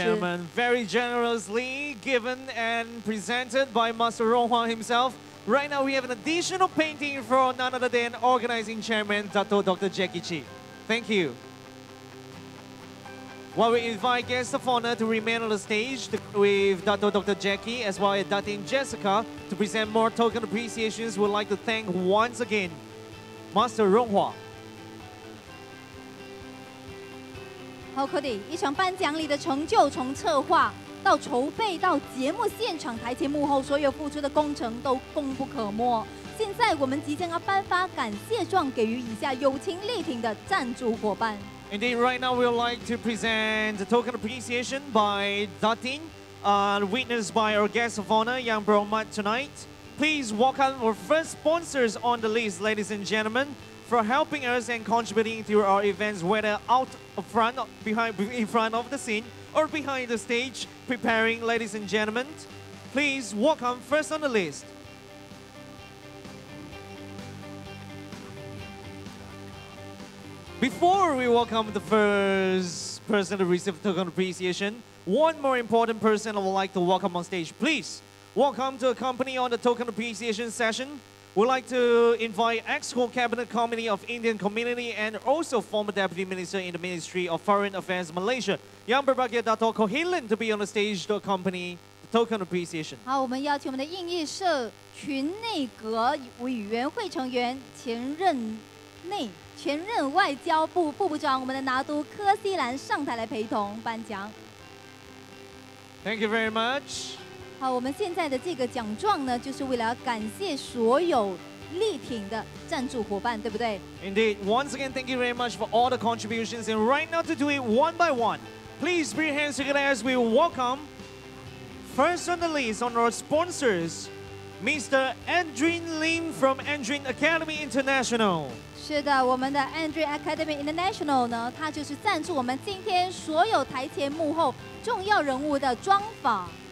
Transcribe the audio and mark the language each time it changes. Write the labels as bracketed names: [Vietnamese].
[English] Ladies and gentlemen, very generously given and presented by Master Rong Hua himself. Right now we have an additional painting from none other than organizing chairman Dr. Jackie Chi. Thank you. While we invite guests of honor to remain on the stage with Dr. Jackie as well as Dr. Jessica to present more token appreciations, we'd like to thank once again Master Ronghua. [Chinese] 好 ，Cody， 一场颁奖礼的成就，从策划到筹备到节目现场台前幕后所有付出的工程都功不可没。现在我们即将要颁发感谢状，给予以下友情力挺的赞助伙伴。 [English] Indeed, right now we would like to present the token appreciation by Datin, witnessed by our guest of honor, Yang Bro Mat, tonight. Please welcome our first sponsors on the list, ladies and gentlemen, for helping us and contributing to our events, whether out front, behind, in front of the scene, or behind the stage, preparing, ladies and gentlemen. Please welcome first on the list. Before we welcome the first person to receive token appreciation, one more important person I would like to welcome on stage. Please welcome to accompany on the token appreciation session. We'd like to invite ex-co cabinet committee of Indian community and also former deputy minister in the Ministry of Foreign Affairs Malaysia, Yang Berbahagia Dato' Kohilan, to be on the stage to accompany the token appreciation. [Chinese] 好，我们邀请我们的应议社群内阁委员会成员前任内。前任外交部副部长，我们的拿督柯西兰上台来陪同颁奖。 [English] Thank you very much。 [Chinese] 好，我们现在的这个奖状呢，就是为了感谢所有力挺的赞助伙伴，对不对 [English] ？Indeed. Once again, thank you very much for all the contributions. And right now, to do it one by one, please bring your hands together as we welcome first on the list on our sponsors, Mr. Andrin Lim from Andrin Academy International. [Chinese] 是的，我们的 Andrew Academy International 呢，它就是赞助我们今天所有台前幕后重要人物的妆法。